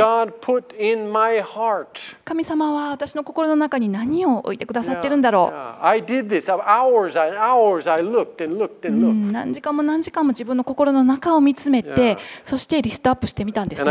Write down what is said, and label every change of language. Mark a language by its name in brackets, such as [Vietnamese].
[English] What has God put in my heart? [Japanese] 神様は私の心の中に何を置いてくださってるんだろう。 [English] I did this. Hours and hours I looked and looked and looked. [Japanese] 何時間も何時間も自分の心の中を見つめて、そしてリストアップしてみたんですね。